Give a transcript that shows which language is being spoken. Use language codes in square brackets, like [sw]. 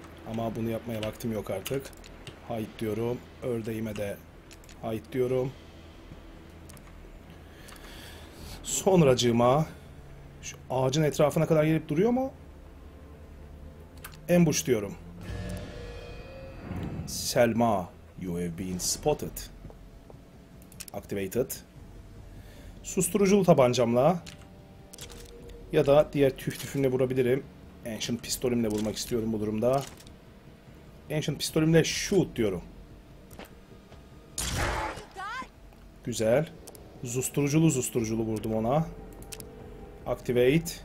[tr] Ama bunu yapmaya vaktim yok artık. Hide diyorum. Ördeğime de hide diyorum. Sonracığıma şu ağacın etrafına kadar gelip duruyor mu? Ambush diyorum. [en] Selma, you have been spotted. Activated. [tr] Susturuculu tabancamla ya da diğer tüf tüfünle vurabilirim. Ancient pistolimle vurmak istiyorum bu durumda. Ancient pistolimle shoot diyorum. Güzel. Zusturuculu zusturuculu vurdum ona. Activate.